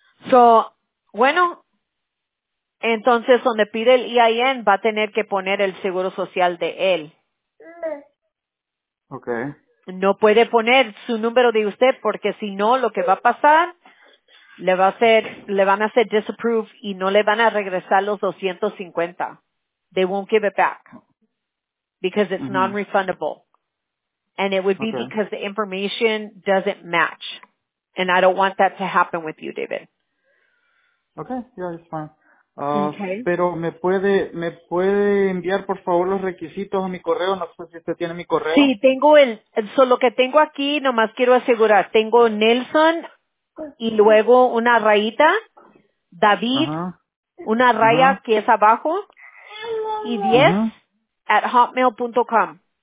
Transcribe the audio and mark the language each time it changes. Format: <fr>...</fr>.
<es>So, bueno, entonces donde pide el EIN va a tener que poner el seguro social de él. Okay. No puede poner su número de usted porque si no, lo que va a pasar, le van a hacer disapprove y no le van a regresar los 250.</es> <en>They won't give it back because it's non-refundable. And it would be because the information doesn't match. And I don't want that to happen with you, David. Okay, yeah, it's fine.</en> <es>Pero me puede enviar por favor los requisitos a mi correo, no sé si usted tiene mi correo. Sí, tengo lo que tengo aquí, nomás quiero asegurar, tengo Nelson y luego una rayita, David, una raya que es abajo y 10 at hotmail.com.</es>